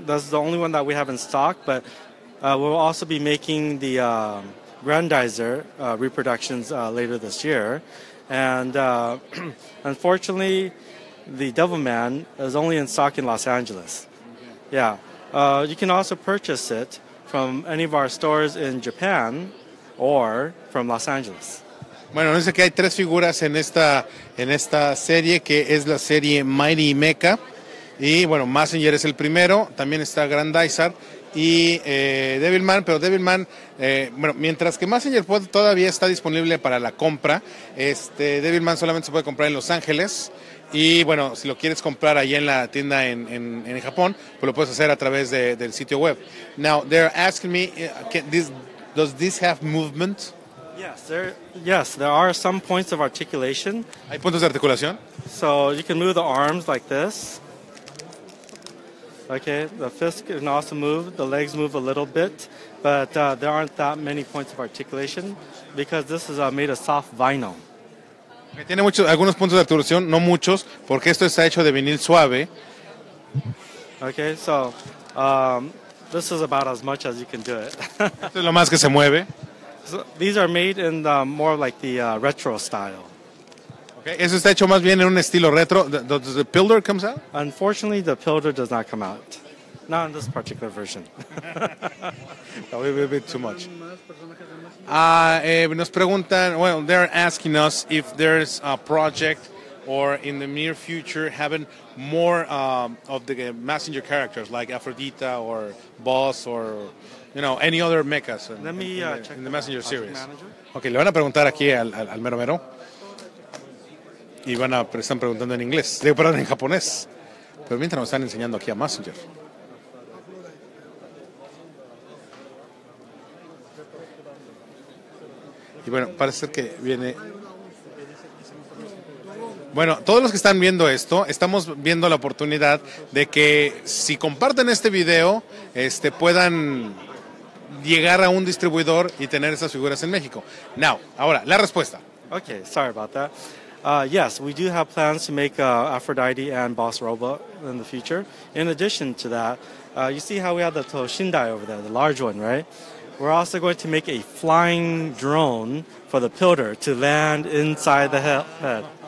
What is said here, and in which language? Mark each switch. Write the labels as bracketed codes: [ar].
[en] That's the only one that we have in stock, but we'll also be making the Grandizer reproductions later this year. And unfortunately, the Devilman is only in stock in Los Angeles. Yeah. You can also purchase it from any of our stores in Japan or from Los Angeles. [es] Bueno, dice que hay tres figuras en esta serie, que es la serie Mighty Mecha. Y bueno, Mazinger es el primero, también está Grandizer y Devilman, pero Devilman, bueno, mientras que Mazinger todavía está disponible para la compra, Devilman solamente se puede comprar en Los Ángeles. Y bueno, si lo quieres comprar allí en la tienda en Japón, pues lo puedes hacer a través del sitio web. [en] Now, they're asking me, does this have movement? Yes, there are some points of articulation. [es] ¿Hay puntos de articulación? [en] So you can move the arms like this. Okay, the fist can also move, the legs move a little bit, but there aren't that many points of articulation because this is made of soft vinyl. [es] Tiene muchos, algunos puntos de articulación, no muchos, porque esto está hecho de vinil suave. [en] Okay, so this is about as much as you can do it. [es] Esto es lo más que se mueve. [en] So, these are made in the, more like the retro style. [es] Okay, eso está hecho más bien en un estilo retro. [en] Does the pilder comes out? Unfortunately, the pilder does not come out. Not in this particular version. That would be a bit too much. [es] Nos preguntan, [en] well, they're asking us if there's a project or in the near future having more of the Mazinger characters like Aphrodite or Boss or, you know, any other mechas in the Mazinger series. [es] Okay, le van a preguntar aquí al mero mero. Y van a, están preguntando en inglés. Digo, perdón, en japonés. Pero mientras nos están enseñando aquí a Mazinger. Y bueno, parece ser que viene. Bueno, todos los que están viendo esto, estamos viendo la oportunidad de que si comparten este video, puedan llegar a un distribuidor y tener esas figuras en México. Now, ahora, la respuesta. [en] Okay, sorry about that. Yes, we do have plans to make Aphrodite and Boss Robot in the future. In addition to that, you see how we have the Toshindai over there, the large one, right? We're also going to make a flying drone for the pilder to land inside the head.